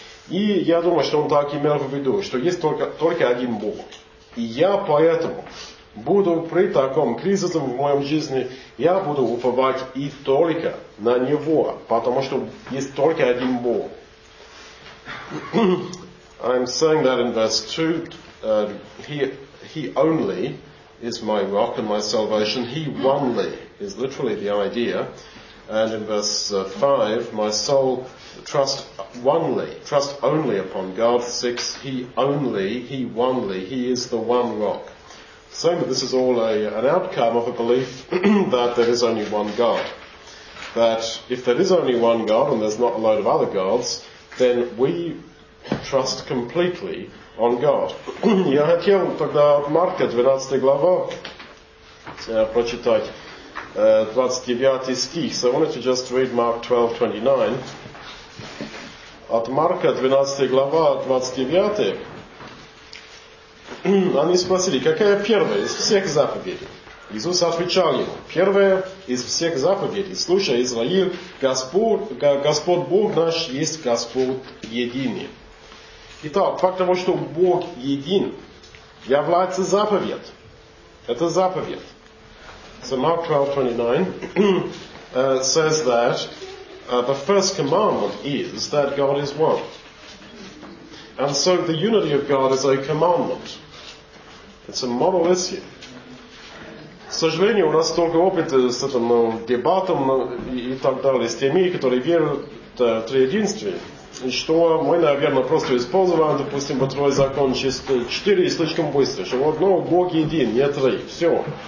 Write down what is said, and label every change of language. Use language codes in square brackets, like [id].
[ru] И я думаю, что он так имел в виду, что есть только один Бог. И я поэтому буду при таком кризисе в моем жизни, я буду уповать и только на Него, потому что есть только один Бог. [en] I'm saying that in verse 2, he only is my rock and my salvation. He only is literally the idea. And in verse 5, my soul trust only upon God. 6, he is the one rock. Saying that this is all an outcome of a belief that there is only one God. That if there is only one God and there's not a load of other gods, then we trust completely on God. [ru] Я хотел тогда Марка, 12 глава, прочитать. 29 стих. [en] So I wanted to just read Mark 12:29. [ru] От Марка 12 глава 29. Они спросили, какая первая из всех заповедей? Иисус отвечал им, первая из всех заповедей. Слушай, Израил, Господь Бог наш есть Господь единый. Итак, факт того, что Бог един, является заповедь. Это заповедь. [en] So Mark 12:29 says that the first commandment is that God is one. And so the unity of God is a commandment. It's a model issue. [ru] К сожалению, у нас столько опыта с этим дебатом и так далее, с теми, которые веруют в триединстве, что мы, наверное, просто использовали, допустим, второй закон 4 и слишком быстро, что вот, ну, Бог един, не три, все.